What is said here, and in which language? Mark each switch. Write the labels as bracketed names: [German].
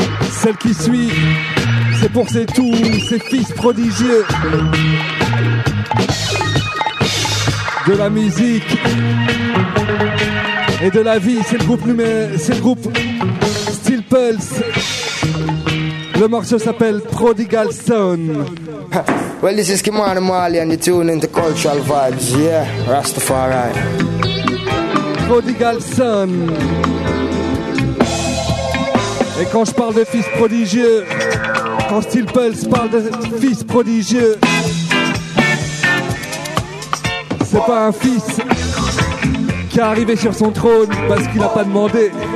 [French] Celle qui suit, c'est pour ses tous, ses fils prodigieux. De la musique et de la vie, c'est le groupe numéro, c'est le groupe Steel Pulse. Le morceau s'appelle Prodigal Son. [English] Well, this is Kimani Marley and you're tuning to Cultural Vibes, yeah, Rastafari. Prodigal Son. [French] Et quand je parle de fils prodigieux, quand Steel Pulse parle de fils prodigieux, c'est pas un fils qui est arrivé sur son trône parce qu'il a pas demandé.